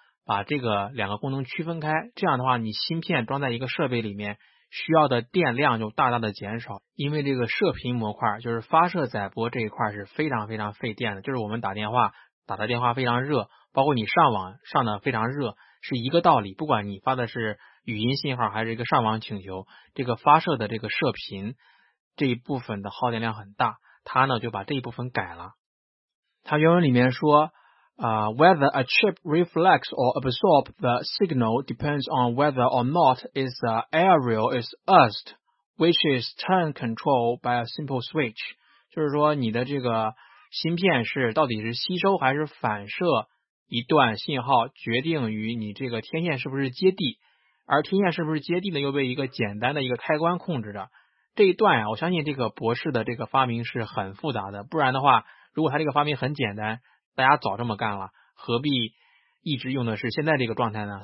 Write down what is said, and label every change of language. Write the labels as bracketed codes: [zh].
[zh] 把这个两个功能区分开，这样的话你芯片装在一个设备里面需要的电量就大大的减少，因为这个射频模块就是发射载波这一块是非常非常费电的，就是我们打电话打的电话非常热，包括你上网上的非常热是一个道理，不管你发的是语音信号还是一个上网请求，这个发射的这个射频这一部分的耗电量很大，他呢就把这一部分改了。他原文里面说 [en] whether a chip reflects or absorbs the signal depends on whether or not its aerial is used, which is turn controlled by a simple switch. [zh] 就是说你的这个芯片是到底是吸收还是反射一段信号，决定于你这个天线是不是接地，而天线是不是接地呢又被一个简单的一个开关控制着。这一段啊，我相信这个博士的这个发明是很复杂的，不然的话如果他这个发明很简单大家早这么干了，何必一直用的是现在这个状态呢？